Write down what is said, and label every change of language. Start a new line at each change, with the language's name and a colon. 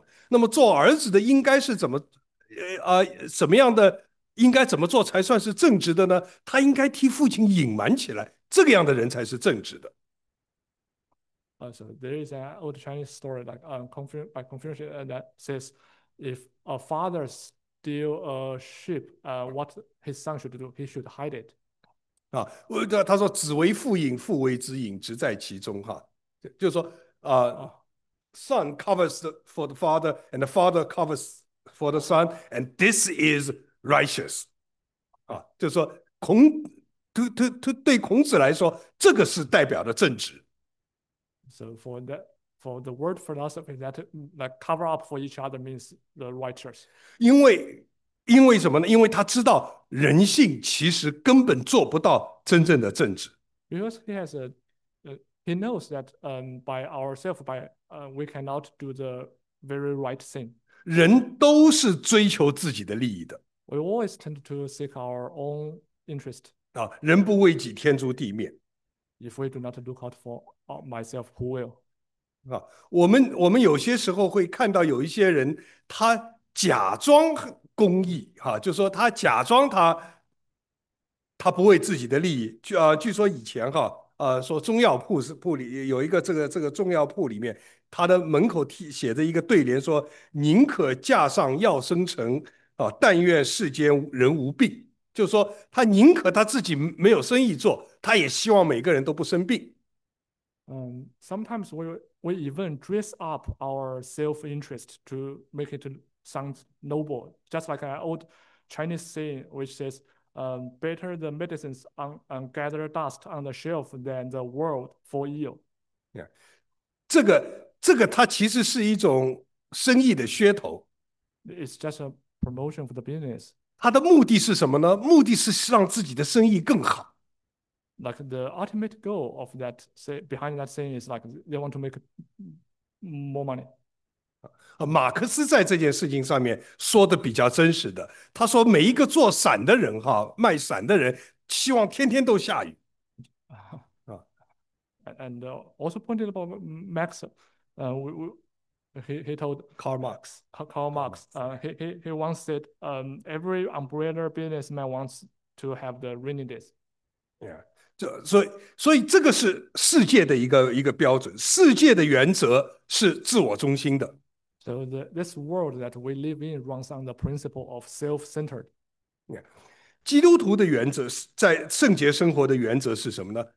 Chinese: 我们中国的这个孔子曾经讲过一句话说，如果说一个人的父亲他偷了一只羊，那么做儿子的应该是怎么？怎么样的应该怎么做才算是正直的呢？他应该替父亲隐瞒起来，这个样的人才是正直的。
English: So there is an old Chinese story like by Confucius that says if a father steals a sheep, what his son should do? He should hide it.
Chinese: 他说子为父隐，父为子隐，直在其中。就是说，
English: son covers for the father, and the father covers for the son, and this is
Chinese: righteous 啊，就是说孔对孔子来说，这个是代表的正直。
English: So for that, for the word philosophy, that like cover up for each other means the righteous.
Chinese: 因为什么呢？因为他知道人性其实根本做不到真正的正直。
English: Because he has a, he knows that by ourselves, we cannot do the very right thing.
Chinese: 人都是追求自己的利益的。
English: We always tend to seek our own interest.
Chinese: 啊，人不为己，天诛地灭。
English: If we do not look out for myself, who will?
Chinese: 啊，我们有些时候会看到有一些人，他假装公益，哈，就说他假装他不为自己的利益。据说以前哈，说中药铺里有一个这个中药铺里面，他的门口写着一个对联，说宁可架上药生城，啊，但愿世间人无病。就说他宁可他自己没有生意做，他也希望每个人都不生病。
English: Sometimes we even dress up our self-interest to make it sound noble. Just like an old Chinese saying, which says, "Better the medicines on gather dust on the shelf than the world for ill."
Chinese: 这个它其实是一种生意的噱头。
English: It's just a promotion for the business.
Chinese: 它的目的是什么呢？目的是让自己的生意更好。
English: Like the ultimate goal of that, say, behind that saying is like they want to make more money.
Chinese: 马克思在这件事情上面说的比较真实的，他说每一个做伞的人卖伞的人，希望天天都下雨。
English: And also pointed about Max, he told Karl Marx, Karl Karl Marx, Marx. he once said, every umbrella businessman wants to have the rainy days.
Chinese: Yeah，所以这个是世界的一个标准，世界的原则是自我中心的。
English: So this world that we live in runs on the principle of self-centered.
Chinese: 基督徒的原则是在圣洁生活的原则是什么呢？